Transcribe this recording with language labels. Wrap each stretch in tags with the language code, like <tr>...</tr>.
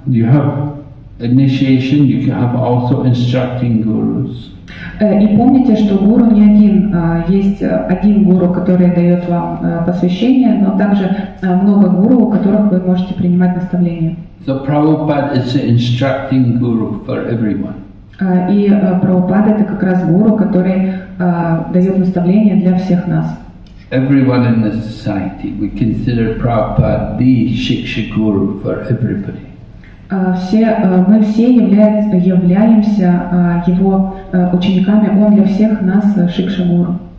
<en>You have initiation, you have also instructing gurus.</en> <ru>И помните, что гуру не один, есть один гуру, который дает вам посвящение, но также много гуру, у которых вы можете принимать наставления.</ru> <en>So Prabhupada is an instructing guru for everyone.</en> <ru>И Прабхупада это как раз гуру, который дает наставления для всех нас.</ru> <en>Everyone in the society, we consider Prabhupada the Shiksha Guru for everybody.</en> <ru>Мы все являемся его учениками, он для всех нас Шикша Гуру.</ru>